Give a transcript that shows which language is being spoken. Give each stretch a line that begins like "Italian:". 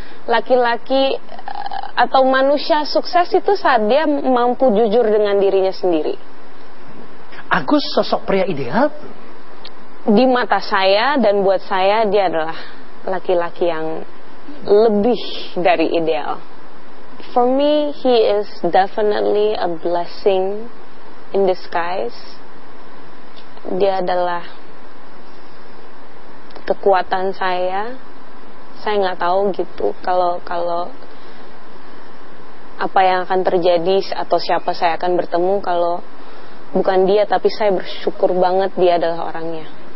Indonesian: Laki-laki atau manusia sukses itu saat dia mampu jujur dengan dirinya sendiri. Agus sosok pria ideal? Di mata saya dan buat saya dia adalah laki-laki yang lebih dari ideal.
English: For me, he is definitely a blessing in disguise.
Indonesian: Dia adalah kekuatan saya. Saya nggak tahu gitu kalau apa yang akan terjadi atau siapa saya akan bertemu kalau bukan dia, tapi saya bersyukur banget dia adalah orangnya.